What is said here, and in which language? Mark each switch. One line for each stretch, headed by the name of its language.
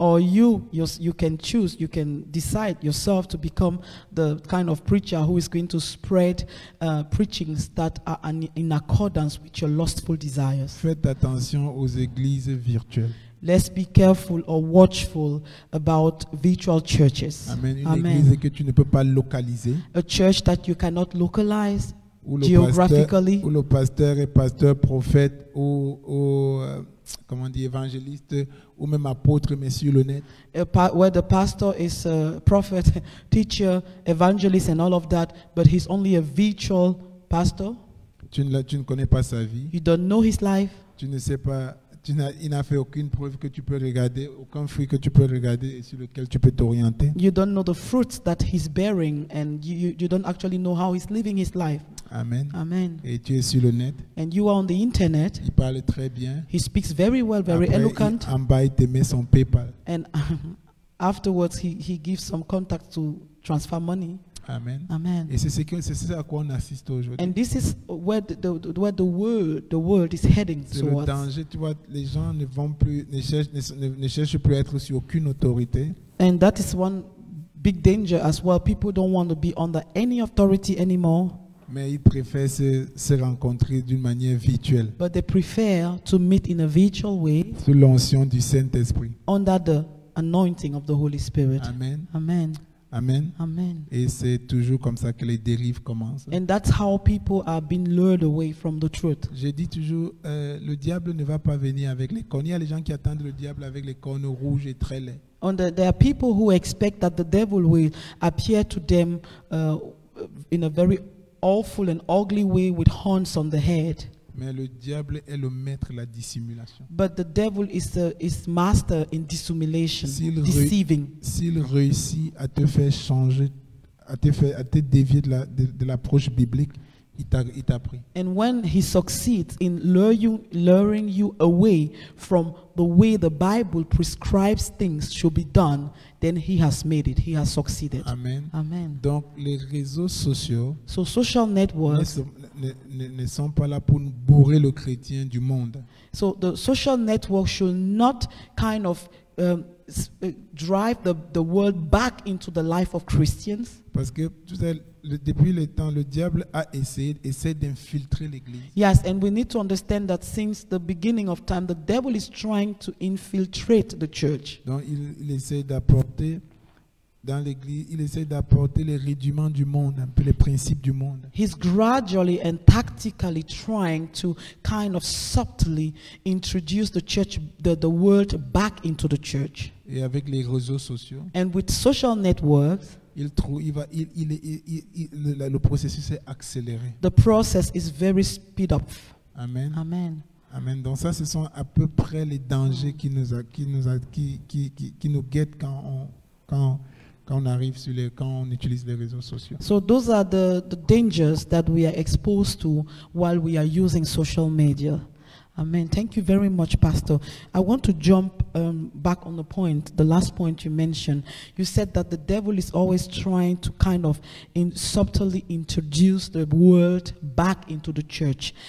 English: Or you can decide yourself to become the kind of preacher who is going to spread preachings that are in accordance with your lustful desires.
French: Faites attention aux églises virtuelles.
English: Let's be careful or watchful about virtual churches. Amen. Amen.
French: Une église que tu ne peux pas localiser.
English: A church that you cannot localize.
French: Où le pasteur est pasteur, prophète ou évangéliste ou même apôtre mais sur le net.
English: Where the pastor is a prophet, teacher, evangelist and all of that, but he's only a virtual pastor.
French: Tu ne connais pas sa vie.
English: You don't know his life.
French: Tu ne sais pas. Il n'a fait aucune preuve que tu peux regarder, aucun fruit que tu peux regarder et sur lequel tu peux t'orienter.
English: You don't know the fruits that he's bearing and you don't actually know how he's living his life. Amen. Amen.
French: Et tu es sur le net.
English: And you are on the internet.
French: Il parle très bien.
English: He speaks very well, very
French: Après,
English: eloquent.
French: En bas, il te met son PayPal.
English: And afterwards, he gives some contact to transfer money. Amen. Amen.
French: Et c'est à quoi on assiste aujourd'hui.
English: And this is where the world is heading
French: c'est
English: towards.
French: Le danger, tu vois, les gens ne vont plus, ne cherchent plus à être sous aucune autorité.
English: And that is one big danger as well. People don't want to be under any authority anymore.
French: Mais ils préfèrent se rencontrer d'une manière virtuelle.
English: But they prefer to meet in a virtual way.
French: Sous l'onction du Saint-Esprit.
English: Under the anointing of the Holy Spirit. Amen. Amen. Amen. Amen.
French: Et c'est toujours comme ça que les dérives commencent.
English: And that's how people are being lured away from the truth.
French: Je dis toujours, le diable ne va pas venir avec les cornes. Il y a les gens qui attendent le diable avec les cornes rouges et très laids.
English: And there are people who expect that the devil will appear to them in a very awful and ugly way with horns on the head.
French: Mais le diable est le maître de la dissimulation.
English: But the devil is master in dissimulation, deceiving.
French: S'il réussit à te faire changer, à te dévier de l'approche biblique, il t'a pris.
English: And when he succeeds in luring you away from the way the Bible prescribes things should be done, then he has made it. He has succeeded. Amen. Amen.
French: Donc les réseaux sociaux.
English: So social networks.
French: Ne sont pas là pour bourrer le chrétien du monde.
English: So the social network should not kind of drive the world back into the life of Christians.
French: Parce que depuis le temps, le diable a essayé d'infiltrer l'église.
English: Yes, and we need to understand that since the beginning of time, the devil is trying to infiltrate the church.
French: Donc il essaie d'apporter dans l'église, il essaie d'apporter les rudiments du monde, un peu les principes du monde.
English: He's gradually and tactically trying to kind of subtly introduce the church, the world back into the church.
French: Et avec les réseaux sociaux.
English: And with social networks.
French: Le processus est accéléré.
English: The process is very speed up. Amen. Amen. Amen.
French: Donc ça, ce sont à peu près les dangers qui nous guettent quand on utilise les réseaux sociaux.
English: So those are the dangers that we are exposed to while we are using social media. Amen. Thank you very much, Pastor. I want to jump back on the point, the last point you mentioned. You said that the devil is always trying to kind of subtly introduce the world back into the church.